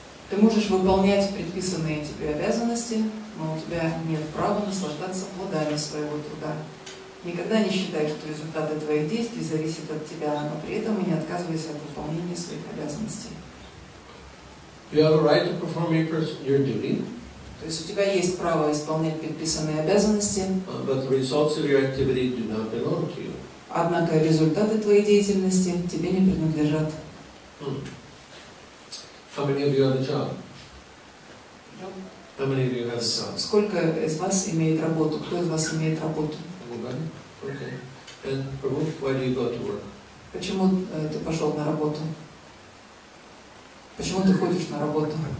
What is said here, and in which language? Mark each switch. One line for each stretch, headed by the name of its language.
Russian: Ты можешь выполнять предписанные тебе обязанности, но у тебя нет права наслаждаться плодами своего труда. Никогда не считай, что результаты твоих действий зависят от тебя, но при этом и не отказывайся от выполнения своих обязанностей.
English: You have a right to perform your duty.
Russian: То есть у тебя есть право исполнять предписанные обязанности.
English: But the results of your activity do not belong to you.
Russian: Однако результаты твоей деятельности тебе не принадлежат.
English: How many of you have a job? How many of you have a job?
Russian: Сколько из вас имеет работу? Кто из вас имеет работу?
English: Okay. And Prabhu, why do you go to work?
Russian: Почему ты пошел на работу? Почему ты ходишь на работу?